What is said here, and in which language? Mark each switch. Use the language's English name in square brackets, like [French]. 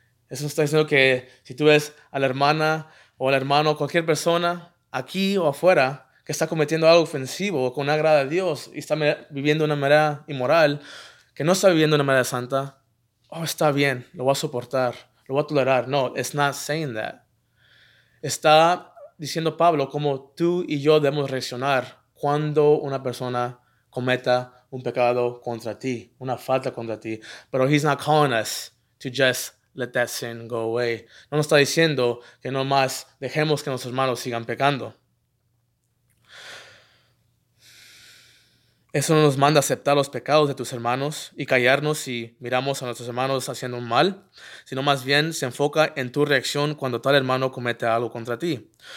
[Spanish] Eso está diciendo que si tú ves a la hermana o al hermano, cualquier persona aquí o afuera que está cometiendo algo ofensivo o con agrado a Dios y está viviendo de una manera inmoral, que no está viviendo de una manera santa, oh, está bien, lo voy a soportar, lo voy a tolerar. [English] No, it's not saying that. [Spanish] Está diciendo Pablo cómo tú y yo debemos reaccionar cuando una persona cometa un pecado contra ti, una falta contra ti. Pero [English] he's not calling us to just let that sin go away. [Spanish] No nos está diciendo que nomás dejemos que nuestros hermanos sigan pecando. Eso no nos manda aceptar los pecados de tus hermanos y callarnos si miramos a nuestros hermanos haciendo un mal, sino más bien se enfoca en tu reacción cuando tal hermano comete algo contra ti.